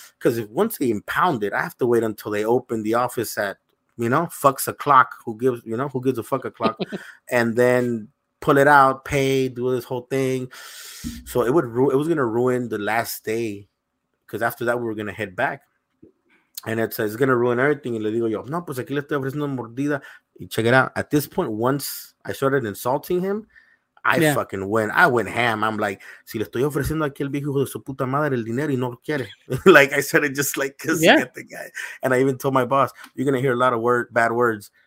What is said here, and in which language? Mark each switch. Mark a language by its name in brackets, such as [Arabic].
[English] Because if once they impound it, I have to wait until they open the office at, you know, fucks o'clock. Who gives a fuck o'clock? And then pull it out, pay, do this whole thing. So it was going to ruin the last day. Because after that, we were going to head back. And it's going to ruin everything. [Spanish] And le digo yo, no, pues aquí le estoy ofreciendo mordida. [English] Check it out. At this point, once I started insulting him, fucking went. I went ham. I'm like, [Spanish] si le estoy ofreciendo aquí el viejo hijo de su puta madre el dinero y no quiere. [English] Like, I started just like cussing at the guy. And I even told my boss, you're going to hear a lot of bad words.